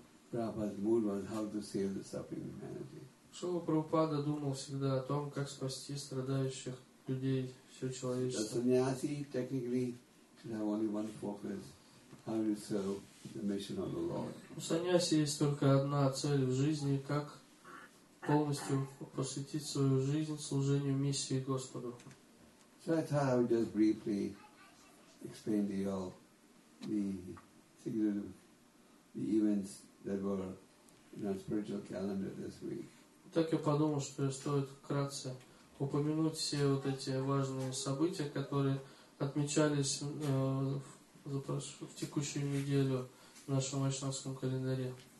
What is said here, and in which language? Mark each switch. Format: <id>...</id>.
<ru>Шрила Прабхупада думал всегда о том, как спасти страдающих людей, все человечество. У саньяси есть только одна цель в жизни, как полностью посвятить свою жизнь служению миссии Господу.</ru> <en>So I thought I would just briefly explain to you all the events that were in our spiritual calendar this week.</en> <ru>Так я подумал, что стоит вкратце упомянуть все вот эти важные события, которые отмечались в текущую неделю в нашем вайшнавском календаре.</ru>